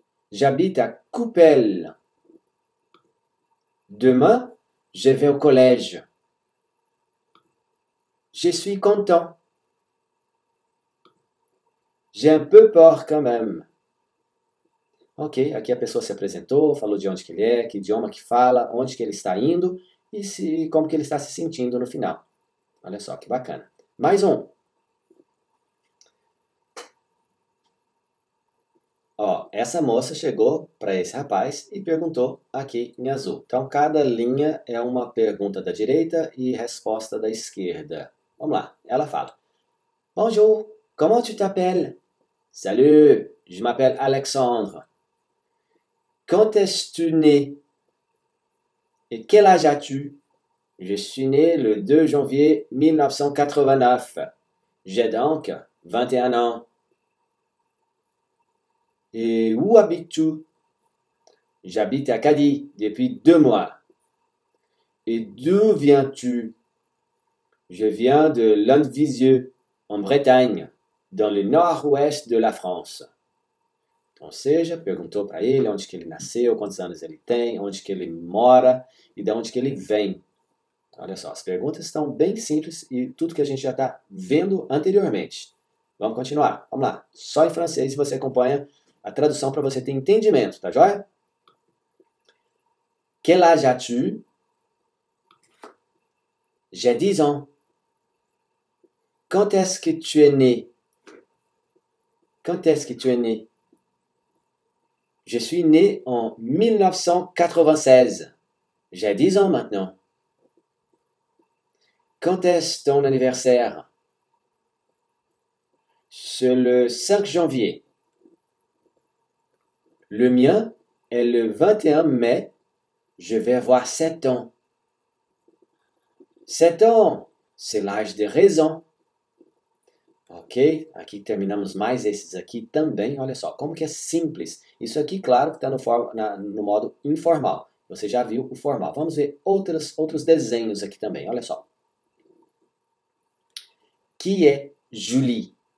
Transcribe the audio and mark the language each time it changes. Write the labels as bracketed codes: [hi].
[fr] J'habite à Coupelle. Demain, je vais au collège. Je suis content. J'ai un peu peur quand même. [pt] Ok, aqui a pessoa se apresentou, falou de onde que ele é, que idioma que fala, onde que ele está indo e como que ele está se sentindo no final. Olha só que bacana. Mais um. Ó, essa moça chegou para esse rapaz e perguntou aqui em azul. Então, cada linha é uma pergunta da direita e resposta da esquerda. Vamos lá. Ela fala: [fr] Bonjour, comment tu t'appelles? Salut, je m'appelle Alexandre. Quand es-tu né? Et quel âge as-tu? Je suis né le 2 janvier 1989. J'ai donc 21 ans. Et où habites-tu? J'habite à Cadix depuis 2 mois. Et d'où viens-tu? Je viens de Landivisiau, en Bretagne, dans le nord-ouest de la France. [pt] Ou seja, perguntou para ele onde que ele nasceu, quantos anos ele tem, onde que ele mora e de onde que ele vem. Olha só, as perguntas estão bem simples e tudo que a gente já está vendo anteriormente. Vamos continuar. Vamos lá. Só em francês você acompanha a tradução para você ter entendimento, tá joia? [fr] Quel âge as-tu? J'ai 10 ans. Quand est-ce que tu es né? Quand est-ce que tu es né? Je suis né en 1996. J'ai 10 ans maintenant. Quand est-ce ton anniversaire? C'est le 5 janvier. Le mien est le 21 mai. Je vais avoir 7 ans. 7 ans, c'est l'âge des raisons. [pt] Ok, aqui terminamos mais esses aqui também. Olha só, como que é simples. Isso aqui, claro, que está no modo informal. Você já viu o formal. Vamos ver outros desenhos aqui também. Olha só. [fr] Qui est Julie?